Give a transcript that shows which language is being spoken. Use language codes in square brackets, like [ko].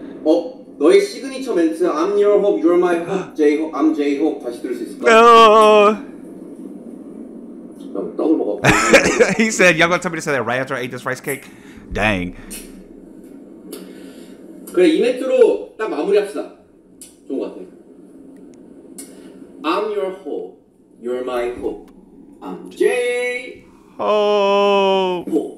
[en] Oh, [ko] 너의 시그니처 멘트, [en] I'm your hope, you're my hope, J-Hope, I'm J-Hope. [ko] 다시 들을 수 있을까? [en] No! [ko] 떡을 먹어. [en] He said, y'all gonna tell me to say that right after I ate this rice cake? Dang. [ko] 그래, 이 멘트로 딱 마무리합시다. 좋은 것 같아. [en] I'm your hope, you're my hope, I'm J-Hope.